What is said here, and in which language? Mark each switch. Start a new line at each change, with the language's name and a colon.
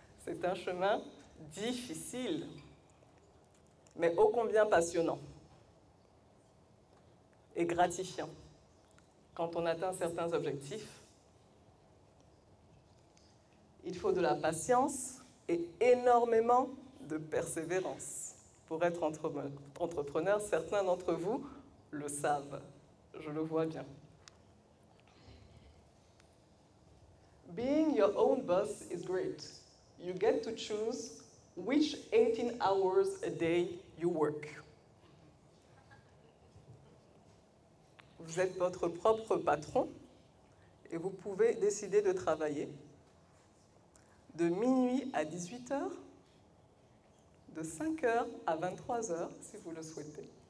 French: C'est un chemin difficile, mais ô combien passionnant et gratifiant quand on atteint certains objectifs. Il faut de la patience et énormément de persévérance pour être entrepreneur. Certains d'entre vous le savent, je le vois bien.
English: Being your own boss is great. You get to choose which 18 hours a day you work.
French: Vous êtes votre propre patron et vous pouvez décider de travailler de minuit à 18h, de 5h à 23h si vous le souhaitez.